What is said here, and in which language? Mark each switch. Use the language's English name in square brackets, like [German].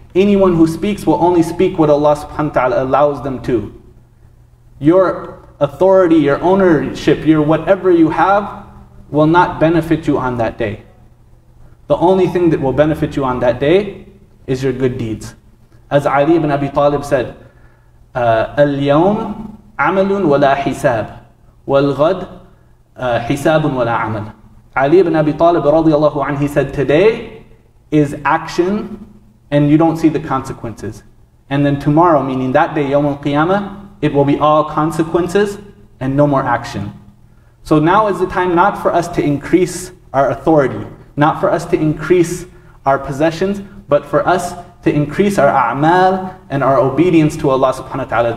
[English] Anyone who speaks will only speak what Allah subhanahu wa ta'ala allows them to. Your authority, your ownership, your whatever you have, will not benefit you on that day. The only thing that will benefit you on that day is your good deeds. As Ali ibn Abi Talib said, [Arabic] اليوم عمل ولا حساب والغد حساب ولا عمل. [English] Ali ibn Abi Talib radiallahu anhu, he said, today is action and you don't see the consequences. And then tomorrow, meaning that day, [Arabic] يوم القيامة, [English] it will be all consequences and no more action. So now is the time not for us to increase our authority, not for us to increase our possessions, but for us to increase our a'mal and our obedience to Allah subhanahu wa ta'ala.